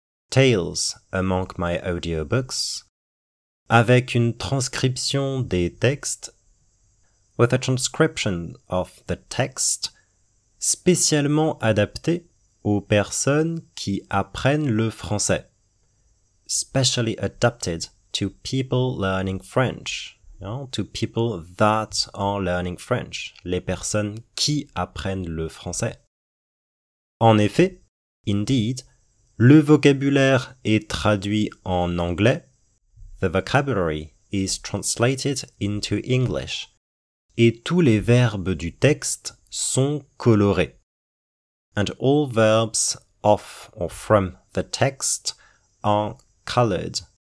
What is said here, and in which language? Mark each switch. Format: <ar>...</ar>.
<en>Tales among my audiobooks,</en> <fr>avec une transcription des textes,</fr> <en>with a transcription of the text,</en> <fr>spécialement adapté aux personnes qui apprennent le français.</fr> <en>Specially adapted to people learning French. You know, to people that are learning French.</en> <fr>Les personnes qui apprennent le français. En effet, indeed, le vocabulaire est traduit en anglais.</fr> <en>The vocabulary is translated into English.</en> <fr>Et tous les verbes du texte sont colorés.</fr> <en>And all verbs of or from the text are colored.</en>